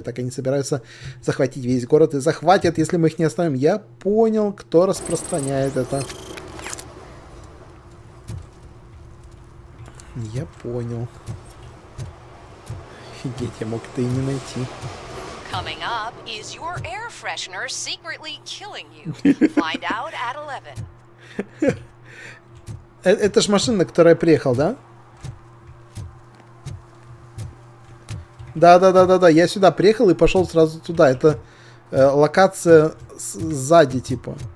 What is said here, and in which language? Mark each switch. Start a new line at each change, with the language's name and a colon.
Russian: Так они собираются захватить весь город и захватят, если мы их не оставим. Я понял, кто распространяет это. Я понял. Офигеть, я мог это и не найти.
English: Coming up is your air freshener secretly killing you. Find out at 11.
Russian: Это ж машина, которая приехала, да? Да-да-да-да-да, я сюда приехал и пошел сразу туда. Это локация сзади, типа.